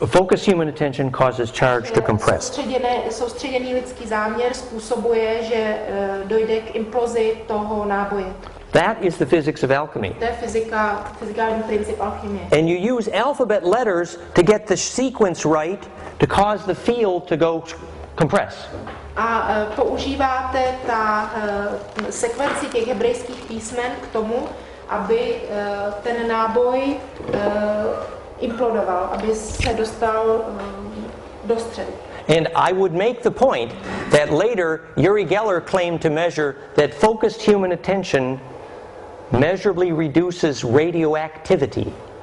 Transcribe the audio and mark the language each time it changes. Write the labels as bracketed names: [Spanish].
[English] Focused human attention causes charge to compress. [Czech] Soustředěný lidský záměr způsobuje, že dojde k implozi toho náboje. [English] That is the physics of alchemy. [Czech] To je fyzikální princip alchymie. [English] And you use alphabet letters to get the sequence right to cause the field to go compress. [Czech] A používáte ta sekvenci těch hebrejských písmen k tomu, aby ten náboj implodoval, aby se dostal do středu. [English] And I would make the point that later Uri Geller claimed to measure that focused human attention measurably reduces radioactivity.